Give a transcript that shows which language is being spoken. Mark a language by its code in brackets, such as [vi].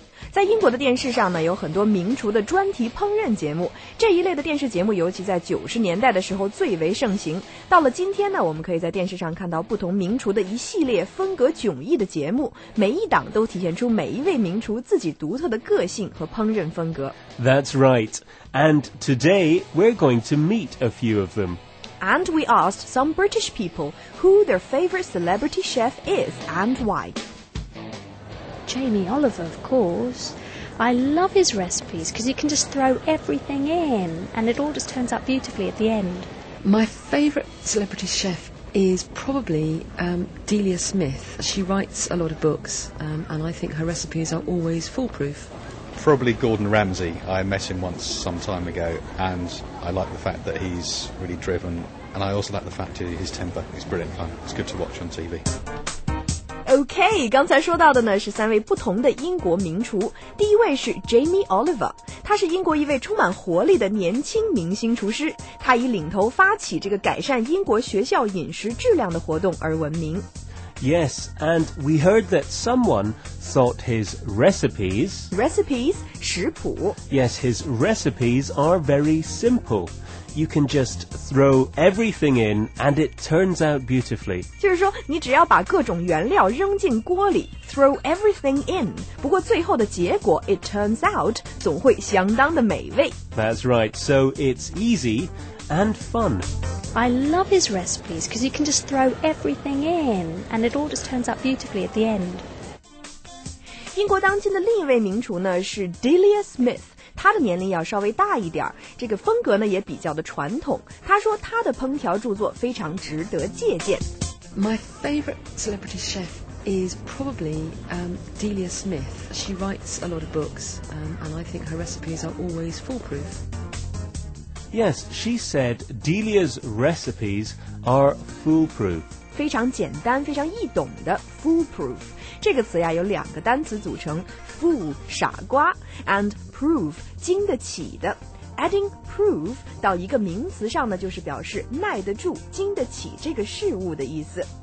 [zh] 在英国的电视上呢,有很多名厨的专题烹饪节目。这一类的电视节目尤其在90年代的时候最为盛行。到了今天呢,我们可以在电视上看到不同名厨的一系列风格迥异的节目。每一档都体现出每一位名厨自己独特的个性和烹饪风格。 [en] That's right. And today, we're going to meet a few of them. And we asked some British people who their favorite celebrity chef is and why. Jamie Oliver, of course. I love his recipes because you can just throw everything in and it all just turns out beautifully at the end. My favourite celebrity chef is probably Delia Smith. She writes a lot of books, and I think her recipes are always foolproof. Probably Gordon Ramsay. I met him once some time ago and I like the fact that he's really driven and I also like the fact that his temper is brilliant fun. It's good to watch on TV. [zh] OK, 刚才说到的呢是三位不同的英国名厨。第一位是 Jamie Oliver, 他是英国一位充满活力的年轻明星厨师。他以领头发起这个改善英国学校饮食质量的活动而闻名。 [en] Yes, and we heard that someone thought his recipes... [zh] Recipes, 食谱。 [en] Yes, his recipes are very simple. You can just throw everything in and it turns out beautifully. [zh] 就是说你只要把各种原料扔进锅里 [en] throw everything in. [zh] 不过最后的结果 [en] it turns out, [zh] 总会相当的美味。 [en] That's right, so it's easy and fun. I love his recipes because you can just throw everything in and it all just turns out beautifully at the end. [zh] 英国当今的另一位名厨呢是 Delia Smith. 他的年龄要稍微大一点，这个风格呢也比较的传统。他说他的烹调著作非常值得借鉴。 [en] My favorite celebrity chef is probably Delia Smith. She writes a lot of books, and I think her recipes are always foolproof. Yes, she said Delia's recipes are foolproof. [zh] 非常简单非常易懂的 foolproof 这个词呀有两个单词组成 fool 傻瓜 and proof 经得起的 [en] adding proof [zh] 到一个名词上呢就是表示耐得住经得起这个事物的意思